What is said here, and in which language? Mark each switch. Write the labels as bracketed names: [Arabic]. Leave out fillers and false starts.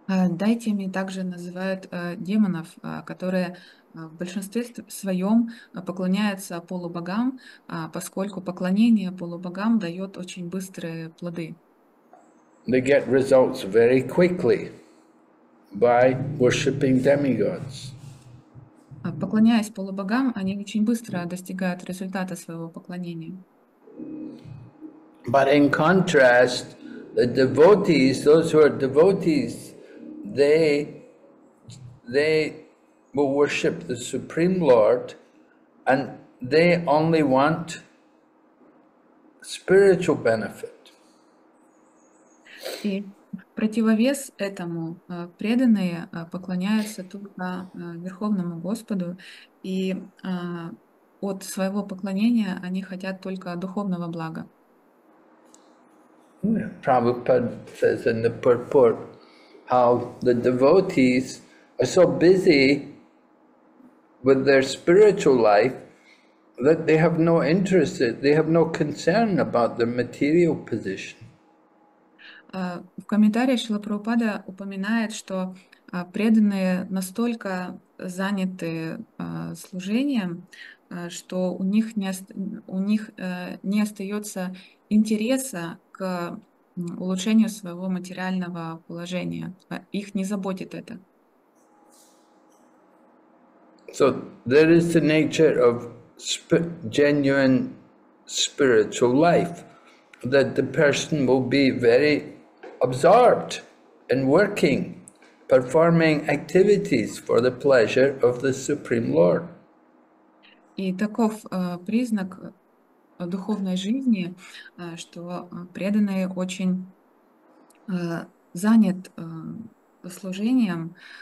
[Russian] Дайтями также называют демонов, которые в большинстве своем поклоняются полубогам, поскольку поклонение полубогам дает очень быстрые плоды. [English] They get results very quickly by worshipping demigods. [Russian] Поклоняясь полубогам, они очень быстро достигают результата своего поклонения. [English] But in contrast, the devotees, those who are devotees, they will worship the Supreme Lord, and they only want spiritual benefit. [Russian] И в противовес этому преданные поклоняются только Верховному Господу, и от своего поклонения они хотят только духовного блага. [English] Prabhupada says in the purport how the devotees are so busy with their spiritual life that they have no interest, they have no concern about their material position. [Russian] В комментарии Шрила Прабхупада упоминает, что преданные настолько заняты служением, что у них не остается интереса к улучшению своего материального положения. Их не заботит это. [English] So there is the nature of genuine spiritual life that the person will be very absorbed in working, performing activities for the pleasure of the Supreme Lord. [Russian] И таков признак духовной жизни, что преданный очень занят служением.